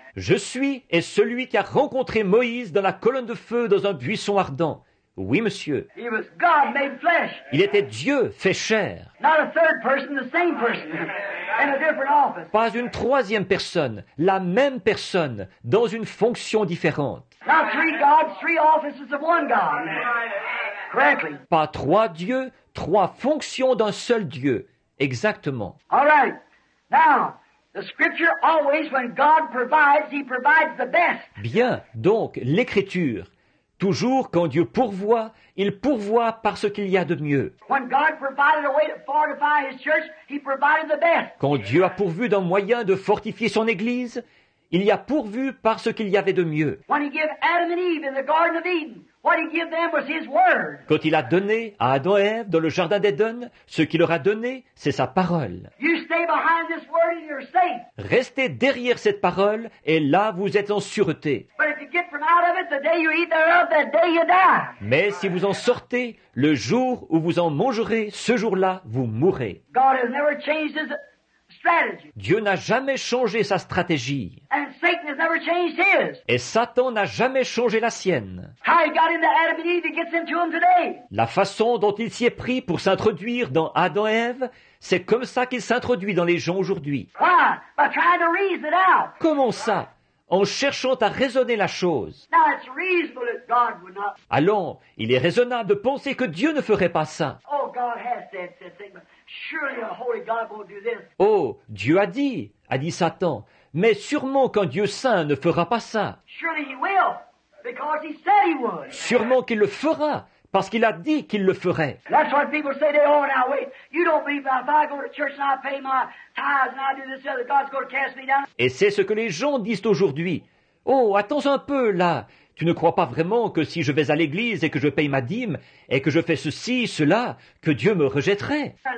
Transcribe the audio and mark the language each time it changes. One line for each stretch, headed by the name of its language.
French: Je suis est celui qui a rencontré Moïse dans la colonne de feu dans un buisson ardent. Oui, monsieur.
English: He was God made flesh.
French: Il était Dieu fait chair.
English: Not a third person, the same person, in a different office.
French: Pas une troisième personne, la même personne, dans une fonction différente.
English: Not three gods, three offices of one God. Correctly.
French: Pas trois dieux, trois fonctions d'un seul Dieu. Exactement.
English: All right. Now, the scripture always, when God provides, he provides the best.
French: Bien, donc, l'écriture. Toujours quand Dieu pourvoit, il pourvoit parce qu'il y a de mieux.
English: When God provided a way to fortify his church, he provided the best.
French: Quand Dieu a pourvu d'un moyen de fortifier son église, il y a pourvu parce qu'il y avait de mieux.
English: When he gave Adam and Eve in the Garden of Eden, what he gave them was his word.
French: Quand il a donné à Adam et Ève dans le jardin d'Éden, ce qu'il leur a donné, c'est sa parole.
English: You stay behind this word and you're safe.
French: Restez derrière cette parole et là vous êtes en sûreté.
English: But if you get from out of it, the day you eat thereof, that day you die.
French: Mais si vous en sortez, le jour où vous en mangerez, ce jour-là, vous mourrez.
English: God has never changed his strategy.
French: Dieu n'a jamais changé sa stratégie.
English: And Satan has never changed his.
French: Et Satan n'a jamais changé la sienne.
English: How he got into Adam and Eve, he gets into them today.
French: La façon dont il s'y est pris pour s'introduire dans Adam et Ève, c'est comme ça qu'il s'introduit dans les gens aujourd'hui.
English: Why? By trying to reason it out.
French: Comment ça? En cherchant à raisonner la chose.
English: Now, it's reasonable that God would not.
French: Allons, il est raisonnable de penser que Dieu ne ferait pas ça.
English: Oh, God has said, said Satan. Surely a holy God won't do this.
French: Oh, Dieu a dit Satan, mais sûrement qu'un Dieu saint ne fera pas ça.
English: Surely he will, because he said he would.
French: Sûrement qu'il le fera, parce qu'il a dit qu'il le ferait.
English: That's why people say, they, oh, now wait, you don't believe that if I go to church and I pay my tithes and I do this other, God's going to cast me down.
French: Et c'est ce que les gens disent aujourd'hui. Oh, attends un peu là. Tu ne crois pas vraiment que si je vais à l'église et que je paye ma dîme et que je fais ceci, cela, que Dieu me rejetterait?